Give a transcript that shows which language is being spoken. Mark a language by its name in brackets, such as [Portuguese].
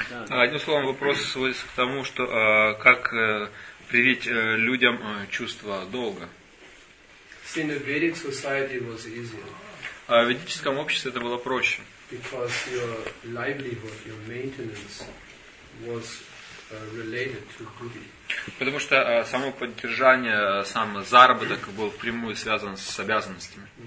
[Russian] Одним словом, вопрос сводится к тому, что как привить людям чувство долга? [English] In the Vedic society it was easier. [Russian] А в ведическом обществе это было проще. [English] Because your livelihood, your maintenance was related to duty. [Russian] Потому что само поддержание, сам заработок был впрямую связан с обязанностями.